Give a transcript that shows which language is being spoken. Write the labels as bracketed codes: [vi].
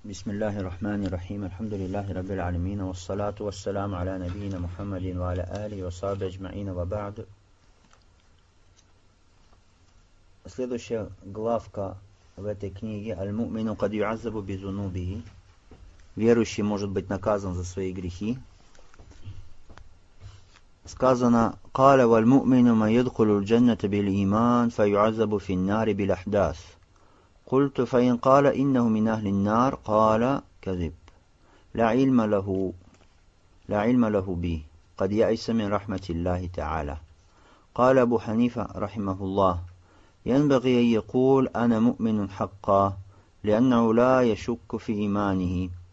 [ar] بسم الله الرحمن الرحيم الحمد لله رب العالمين والصلاة والسلام على نبينا محمد وعلى آله وصحبه أجمعين وبعد [ru] Следующая главка в этой книге «Аль-Му'мину кад юазабу бизунубихи» «Верующий может быть наказан за свои грехи». Сказано [ar] «Каля валь-Му'мину ма йадхулу л-джанната бил-иман фа юазабу фин-нари бил-ахдас». قلت فإن قال إنه من أهل النار قال كذب لا علم له به قد يأس من رحمة الله تعالى قال أبو حنيفة رحمه الله ينبغي أن يقول أنا مؤمن حقا لأنه لا يشك في إيمانه